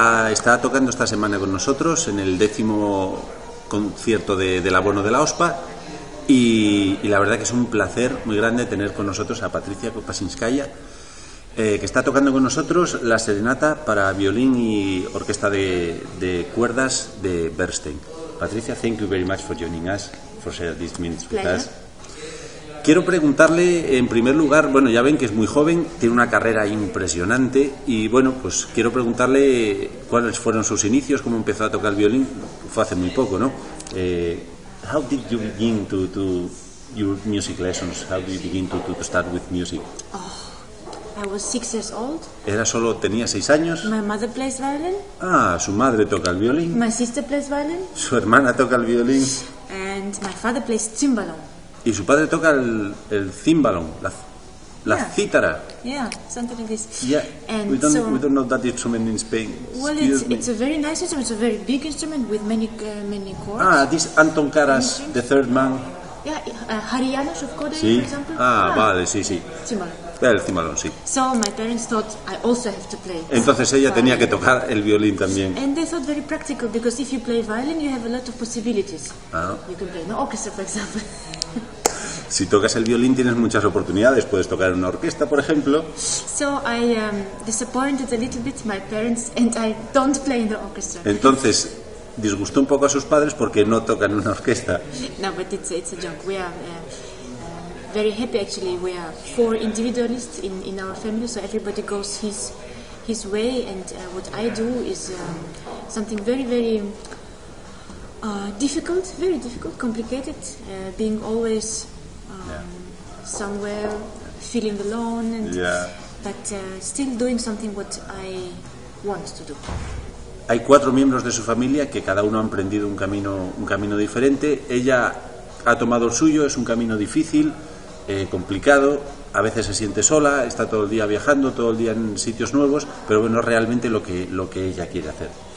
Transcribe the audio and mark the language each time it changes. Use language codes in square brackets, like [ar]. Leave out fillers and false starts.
[es] Está tocando esta semana con nosotros en el 10º concierto del abono de La Ospa y la verdad que es un placer muy grande tener con nosotros a Patricia Kopaczynskaya, que está tocando con nosotros la serenata para violín y orquesta de cuerdas de Bernstein. [en] Patricia, thank you very much for joining us, for sharing these minutes with us. [es] Quiero preguntarle, en primer lugar, bueno, ya ven que es muy joven, tiene una carrera impresionante, y bueno, pues quiero preguntarle cuáles fueron sus inicios, cómo empezó a tocar el violín, fue hace muy poco, ¿no? [en] How did you begin to your music lessons? How did you begin to start with music? I was 6 years old. [es] Era solo, tenía 6 años. [en] My mother plays violin. [es] Ah, su madre toca el violín. [en] My sister plays violin. [es] Su hermana toca el violín. [en] And my father plays cimbalón. [es] Y su padre toca el cimbalón, la yeah. cítara. [en] Yeah, something like this. Yeah, and we don't know that instrument in Spain. Well, it's a very nice instrument, it's a very big instrument with many chords. Ah, this Anton Karas, the third man. Yeah, Harianos of Kodai, [es] sí. [en] For example. [es] Ah, ah, vale, sí, sí. Cimbalón. El cimbalón, sí. [en] So my parents thought I also have to play. [es] Entonces ella tenía que tocar el violín también. [en] And they thought very practical, because if you play violin, you have a lot of possibilities. Ah. You can play an orchestra, for example. [es] Si tocas el violín tienes muchas oportunidades, puedes tocar en una orquesta, por ejemplo. [en] So I disappointed a little bit my parents and I don't play in the orchestra. [es] Entonces, disgustó un poco a sus padres porque no tocan en una orquesta. [en] No, but it's a joke. We are very happy actually. We are 4 individualists in our family, so everybody goes his way, and what I do is something very very difficult, very difficult, complicated, being always yeah. somewhere, feeling alone, and yeah. but still doing something what I want to do. [es] Hay 4 miembros de su familia que cada uno ha emprendido un camino diferente. Ella ha tomado el suyo, es un camino difícil, complicado. A veces se siente sola, está todo el día viajando, todo el día en sitios nuevos, pero bueno, es realmente lo que ella quiere hacer.